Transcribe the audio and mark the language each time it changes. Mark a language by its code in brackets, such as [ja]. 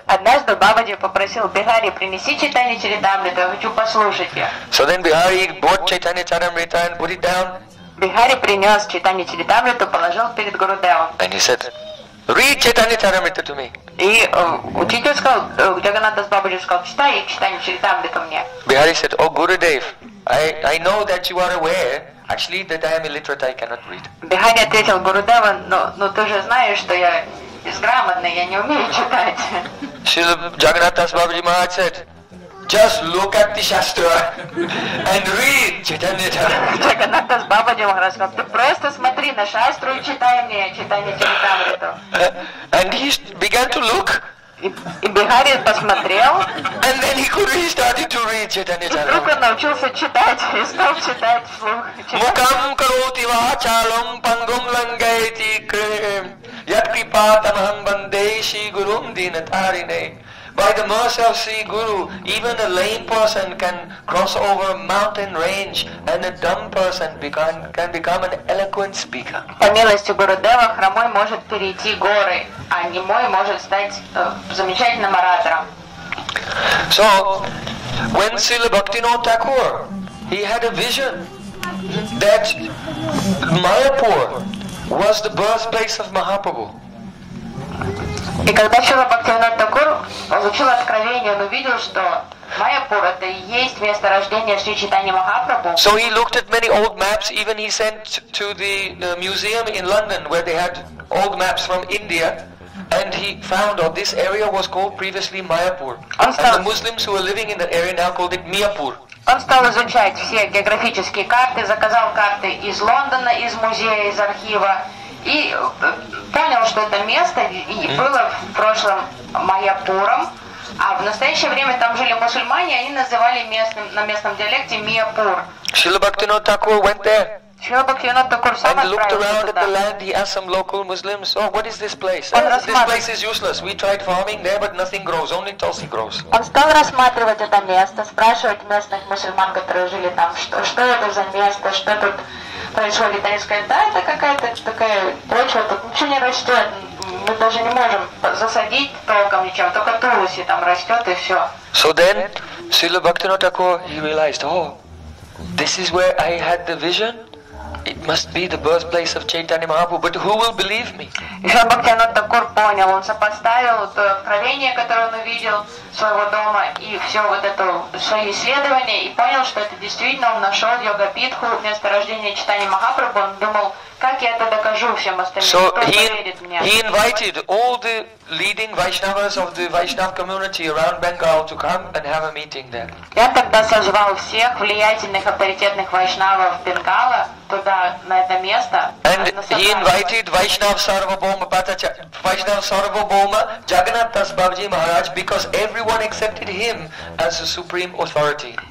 [ru] Однажды Бабаджи попросил Бихари, принеси Чайтанья Чаритамриту, я хочу послушать ее. [en] So then Bihari brought Chaitanya Charitamrita and put it down. [ru] Бихари принес Чайтанья Чаритамриту, положил перед Гурудевом. [en] And he said, read Chaitanya Charitamrita to me. [ru] И учитель сказал, Джаганатас Бабаджи сказал, читай Чайтанья Чаритамриту мне. [en] Бихари said, oh, Gurudev, I know that you are aware. Actually, that I am illiterate, I cannot read. [ru] Бихари ответил Гурудева, но ты же знаешь, что я безграмотный, я не умею читать. [en] Шрила Джаганатас Бабаджи Махарадж said, just look at the Shastra and read Chaitanya Charitamrita. [ru] Джаганатас Бабаджи Махарадж сказал, ты просто смотри на Шастру и читай мне Чайтанья Чаритамриту. [en] And he began to look. [ru] И Бихари посмотрел. [en] And then he could really started to read Chaitanya Charitamrita. [ru] Вдруг он научился читать и стал читать вслух. [sa] Мукам кароти вачалам пангум лангайти крем. Яд крипатам ахам бандеши гурум динатарине. [en] By the mercy of Sri Guru, even a lame person can cross over a mountain range, and a dumb person can become an eloquent speaker. [ru] По милости Гурудева, хромой может перейти горы, а немой может стать замечательным оратором. [en] So, when Srila Bhaktivinoda Thakur, he had a vision that Mayapur was the birthplace of Mahaprabhu. [ru] И когда Шрила Бхактивинода Тхакур получил откровение, он увидел, что Майяпур это и есть место рождения Шри Чайтанья Махапрабху. [en] So he looked at many old maps, even he sent to the museum in London where they had old maps from India, and he found that this area was called previously Майяпур. And the Muslims who were living in that area now called it Мияпур. [ru] Он стал изучать все географические карты, заказал карты из Лондона, из музея, из архива. И понял, что это место было в прошлом Майяпуром, а в настоящее время там жили мусульмане, и они называли местным, на местном диалекте Мияпур. [en] Шрила Бхактивинода Тхакур went there. [ru] Шрила Бхактивинода Тхакур сам отправился туда. [en] And looked around at the land, he asked some local Muslims, oh, what is this place? This place is useless. We tried farming there, but nothing grows. Only tulsi grows. [ru] Он стал рассматривать это место, спрашивать местных мусульман, которые жили там, что это за место, что тут происходит. Они сказали, да, это какая-то такая почва, тут ничего не растет, мы даже не можем засадить толком ничем, только тулуси там растет и все. [en] So then, Srila Bhaktivinoda Thakur, he realized, oh, this is where I had the vision. It must be the birthplace of Chaitanya Mahaprabhu, but who will believe me? [ru] Шрила Бхактивинода Тхакур понял, он сопоставил то откровение, которое он увидел своего дома, и все вот это свои исследования, и понял, что это действительно он нашел йога-питху, место рождения Чайтанья Махапрабху, он думал, как я это докажу всем остальным, [en] so [ru] кто поверит мне? [en] He invited all the leading Vaishnavas of the Vaishnav community around Bengal to come and have a meeting there. [ru] Я тогда созвал всех влиятельных, авторитетных Вайшнавов Бенгала, [en] and he invited Vaishnav Sarvabhauma Jagannath Das Babaji Maharaj because everyone accepted him as the supreme authority.